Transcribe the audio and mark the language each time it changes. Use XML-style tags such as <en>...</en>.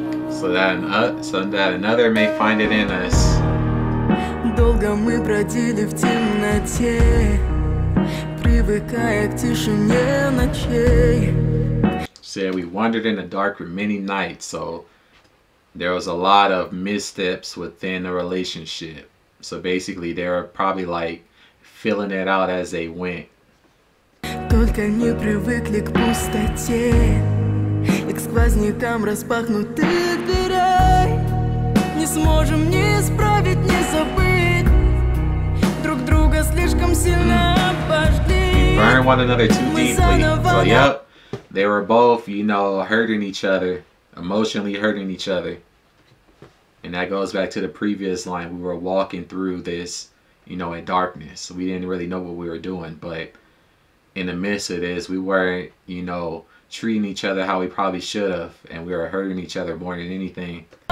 <en>So that another may find it in us.</en> <ru>Долго мы бродили в темноте, привыкая к тишине ночей.</ru> <en>Said we wandered in the dark for many nights, so there was a lot of missteps within the relationship. So basically they were probably like filling it out as they went.</en> <ru>Только не привыкли к пустоте, к сквознякам распахнутых дверей. Не сможем ни исправить, ни забыть. Друг друга слишком сильно обожгли.</ru> <en>Burn one another too deeply. So yep, they were both, you know, hurting each other, emotionally hurting each other. And that goes back to the previous line. We were walking through this, you know, in darkness. We didn't really know what we were doing, but in the midst of this, we weren't, you know, treating each other how we probably should have, and we were hurting each other more than anything.</en>